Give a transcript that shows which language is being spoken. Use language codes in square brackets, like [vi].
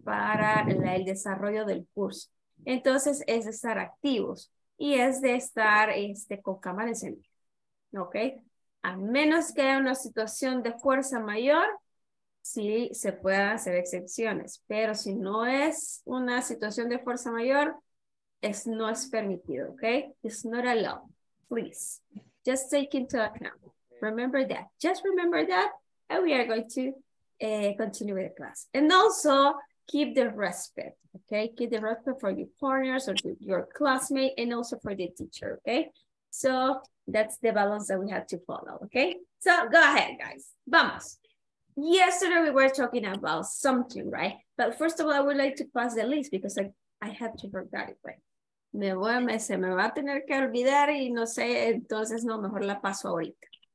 [es] Para el desarrollo del curso. Entonces, es de estar activos y es de estar con cámara encendida, ¿ok? A menos que haya una situación de fuerza mayor, sí se puedan hacer excepciones. Pero si no es una situación de fuerza mayor, no es permitido, okay? [en] It's not allowed. Please, just take into account. Remember that. Just remember that, and we are going to continue with the class. And also, keep the respect, okay? Keep the respect for your partners or your classmate, and also for the teacher, okay? So that's the balance that we have to follow, okay? So go ahead, guys. Vamos. Yesterday we were talking about something, right? But first of all, I would like to pass the list because I have to forget it, right? [es] Se me va a tener que olvidar y no sé, entonces no, mejor la paso ahorita.